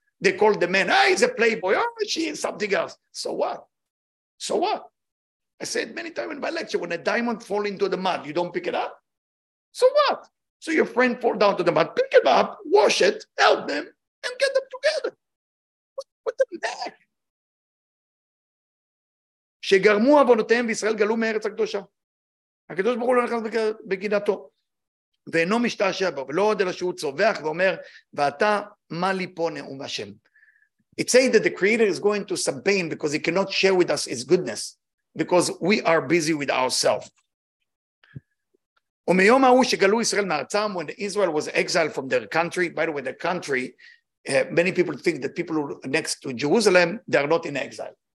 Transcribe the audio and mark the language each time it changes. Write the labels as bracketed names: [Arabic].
[English] They call the man, ah, he's a playboy, or she is something else. So what? So what? I said many times in my lecture, when a diamond falls into the mud, you don't pick it up. So what? So your friend falls down to the mud, pick him up, wash it, help them, and get them together. [Hebrew] שגרמו אבונותיהם וישראל גלו מארץ הקדושה. הקדוש ברוך הוא לא נכנס בגינתו. ואינו משתעשע בו, ולא עוד אלא שהוא צובח ואומר, ואתה מה לי פה נאום השם. [English] It says that the creator is going to some pain because he cannot share with us his goodness, because we are busy with ourselves. [Hebrew] ומיום ההוא שגלו ישראל מארצם, [English] when Israel was exiled from their country, by the way, the country, many people think that people who are next to Jerusalem, they are not in exile.